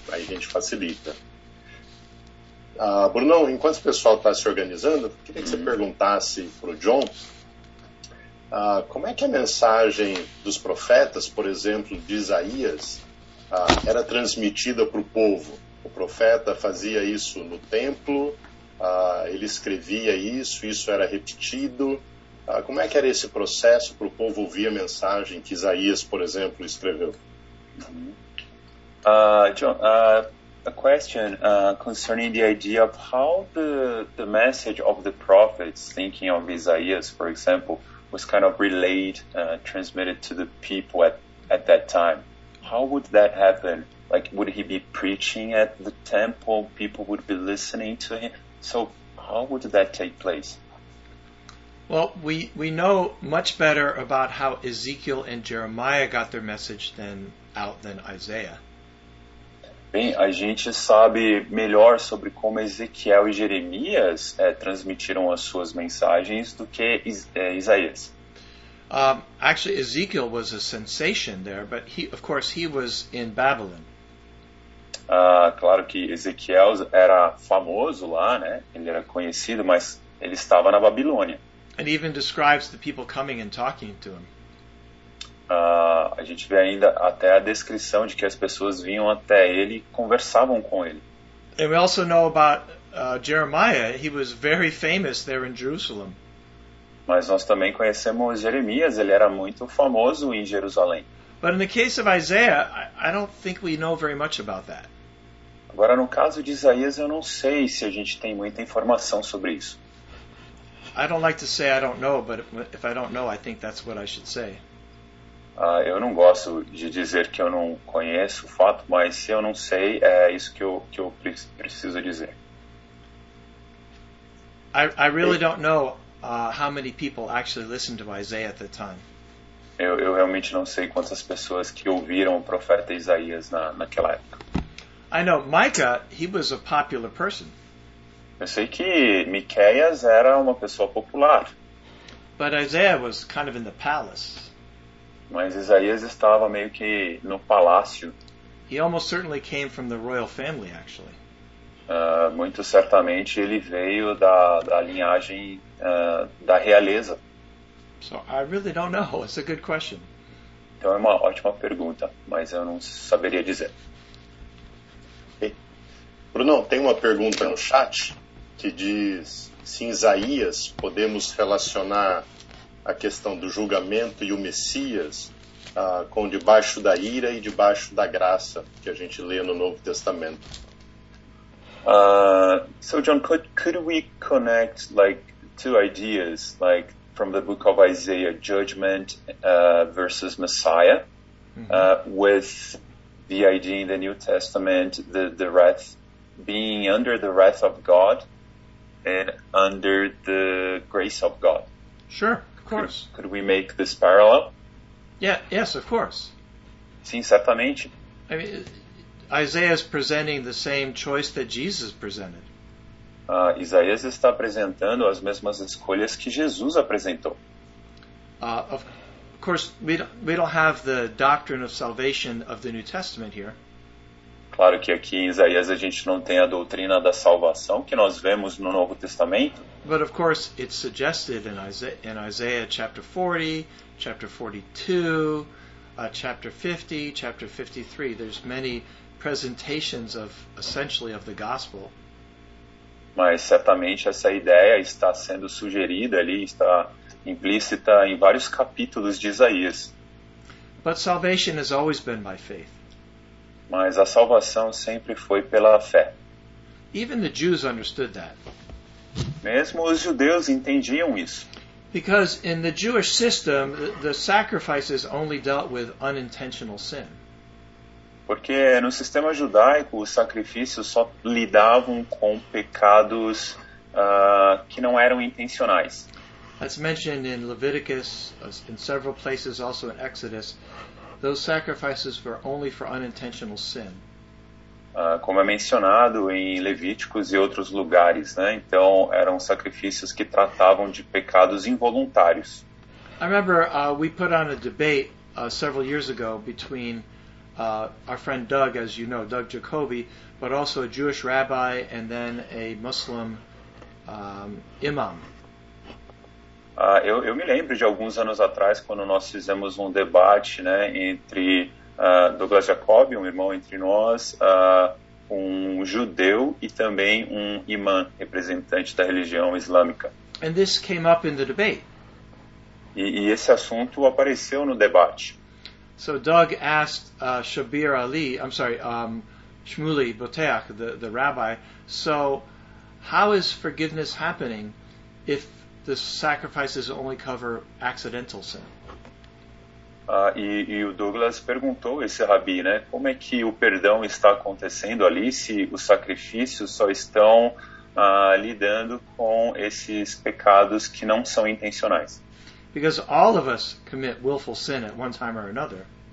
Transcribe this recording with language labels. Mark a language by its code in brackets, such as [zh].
[pt] Aí a gente facilita. Brunão, enquanto o pessoal está se organizando, eu queria que você perguntasse para o John, como é que a mensagem dos profetas, por exemplo, de Isaías, era transmitida para o povo? O profeta fazia isso no templo, ele escrevia isso era repetido. Como é que era esse processo para o povo ouvir a mensagem que Isaías, por exemplo, escreveu? [en] John, a question concerning the idea of how the message of the prophets, thinking of Isaías, for example, was kind of relayed, transmitted to the people at that time. How would that happen? Like, would he be preaching at the temple? People would be listening to him. So how would that take place? Well, we know much better about how Ezekiel and Jeremiah got their message than Isaiah. [pt] Bem, a gente sabe melhor sobre como Ezequiel e Jeremias transmitiram as suas mensagens do que Isaías. [en] Actually, Ezekiel was a sensation there, but he was in Babylon. [pt] Claro que Ezequiel era famoso lá, né? Ele era conhecido, mas ele estava na Babilônia. [en] And even describes the people coming and talking to him. [pt] A gente vê ainda até a descrição de que as pessoas vinham até ele e conversavam com ele. [en] And we also know about Jeremiah. He was very famous there in Jerusalem. [pt] Mas nós também conhecemos Jeremias. Ele era muito famoso em Jerusalém. [en] But in the case of Isaiah, I don't think we know very much about that. [pt] Agora, no caso de Isaías, eu não sei se a gente tem muita informação sobre isso. [en] I don't like to say I don't know, but if I don't know, I think that's what I should say. [pt] Eu não gosto de dizer que eu não conheço o fato, mas se eu não sei, é isso que eu preciso dizer. [en] I really don't know how many people actually listened to Isaiah at the time. [pt] Eu realmente não sei quantas pessoas que ouviram o profeta Isaías naquela época. [en] I know Micah, he was a popular person. [pt] Eu sei que Miqueias era uma pessoa popular. [en] But Isaiah was kind of in the palace. [pt] Mas Isaías estava meio que no palácio. [en] He almost certainly came from the royal family, actually. [pt] Muito certamente ele veio da linhagem da realeza. [en] So I really don't know. It's a good question. [pt] Então é uma ótima pergunta, mas eu não saberia dizer. Bruno, tem uma pergunta no chat que diz se em Isaías podemos relacionar a questão do julgamento e o Messias com debaixo da ira e debaixo da graça que a gente lê no Novo Testamento. [en] So John, could we connect like two ideas, like from the book of Isaiah, judgment versus Messiah, with the idea in the New Testament, the wrath, being under the wrath of God and under the grace of God? Sure, of course. Could we make this parallel? Yeah, yes, of course. [pt] Sim, certamente. [en] I mean, Isaiah is presenting the same choice that Jesus presented. [pt] Isaías está apresentando as mesmas escolhas que Jesus apresentou. [en] Of course, we don't have the doctrine of salvation of the New Testament here. [pt] Claro que aqui em Isaías a gente não tem a doutrina da salvação que nós vemos no Novo Testamento. [en] But of course, it's suggested in Isaiah chapter 40, chapter 42, chapter 50, chapter 53. There's many presentations of essentially of the gospel. [pt] Mas certamente essa ideia está sendo sugerida ali, está implícita em vários capítulos de Isaías. [en] But salvation has always been by faith. [pt] Mas a salvação sempre foi pela fé. [en] Even the Jews understood that. [pt] Mesmo os judeus entendiam isso. [en] Because in the Jewish system, the sacrifices only dealt with unintentional sin. [pt] Porque no sistema judaico, os sacrifícios só lidavam com pecados que não eram intencionais. [en] As mentioned in Leviticus, in several places, also in Exodus, those sacrifices were only for unintentional sin. [pt] Como é mencionado em Levíticos e outros lugares, né? Então eram sacrifícios que tratavam de pecados involuntários. [en] I remember we put on a debate several years ago between our friend Doug, as you know, Doug Jacoby, but also a Jewish rabbi and then a Muslim imam. [pt] Eu me lembro de alguns anos atrás, quando nós fizemos um debate, né, entre Douglas Jacoby, um irmão entre nós, um judeu e também um imã, representante da religião islâmica. [en] And this came up in the debate. [pt] E esse assunto apareceu no debate. [en] So Doug asked Shabir Ali, I'm sorry, Shmuley Boteach, the rabbi, so how is forgiveness happening if the sacrifices only cover accidental sin? [pt] E o Douglas perguntou esse rabi, né, como é que o perdão está acontecendo ali se os sacrifícios só estão lidando com esses pecados que não são intencionais? [en] Because all of us commit willful sin at one time or another.